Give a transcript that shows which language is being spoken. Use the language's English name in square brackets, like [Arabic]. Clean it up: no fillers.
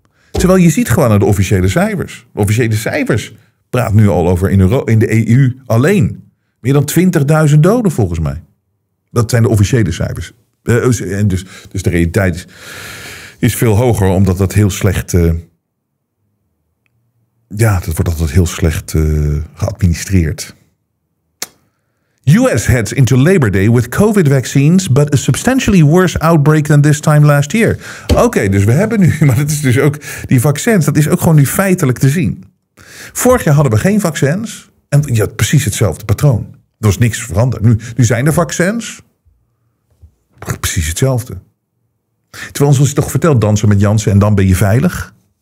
[Dutch] Terwijl je ziet gewoon naar de officiële cijfers. De officiële cijfers praat nu al over in de EU alleen. Meer dan 20.000 doden volgens mij. Dat zijn de officiële cijfers. Dus de realiteit is veel hoger omdat dat heel slecht... dat wordt altijd heel slecht geadministreerd. [English] US heads into Labor Day with COVID vaccines, but a substantially worse outbreak than this time last year. [Dutch] Oké, dus we hebben nu, maar dat is dus ook die vaccins, dat is ook gewoon nu feitelijk te zien. Vorig jaar hadden we geen vaccins en je had precies hetzelfde patroon. Er was niks veranderd. Nu zijn er vaccins, precies hetzelfde. Terwijl, zoals je toch vertelt, dansen met Janssen en dan ben je veilig.